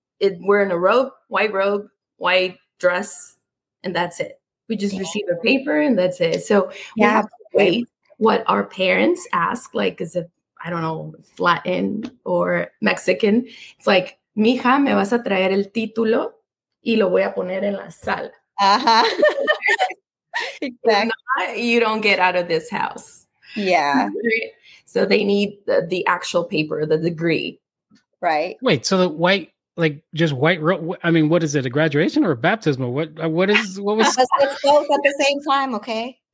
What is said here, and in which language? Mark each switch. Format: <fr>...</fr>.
<en>We're in a robe, white robe, white dress, and that's it. We just receive a paper and that's it. So we have to wait what our parents ask, like, is it, I don't know, Latin or Mexican. It's like,</en> <es>mija, me vas a traer el título y lo voy a poner en la sala.</es> <en>Exactly. You don't get out of this house. Yeah. So they need the actual paper, the degree. Right. Wait, so the white, like just white, I mean, what is it, a graduation or a baptismal? It's both at the same time, okay?</en>